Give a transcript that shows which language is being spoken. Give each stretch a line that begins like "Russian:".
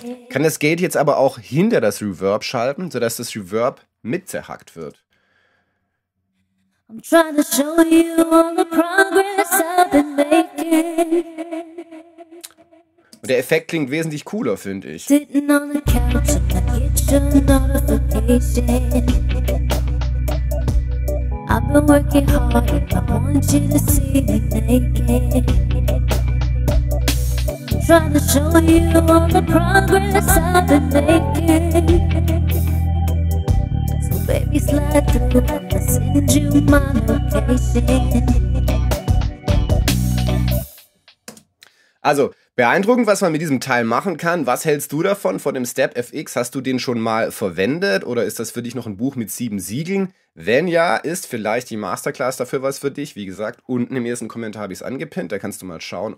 German: Kann das Gate jetzt aber auch hinter das Reverb schalten, sodass das Reverb mit zerhackt wird.
English: I'm trying to show you all the progress I've been making.
German: Und der Effekt klingt wesentlich cooler, finde ich.
English: Sitting on the couch in the kitchen notification. I've been working hard and I want you to see me naked. I'm trying to show you all the progress I've been making. Baby, slide through, let me send you my location.
German: Also, beeindruckend, was man mit diesem Teil machen kann. Was hältst du davon von dem Step FX? Hast du den schon mal verwendet oder ist das für dich noch ein Buch mit 7 Siegeln? Wenn ja, ist vielleicht die Masterclass dafür was für dich. Wie gesagt, unten im ersten Kommentar habe ich es angepinnt, da kannst du mal schauen.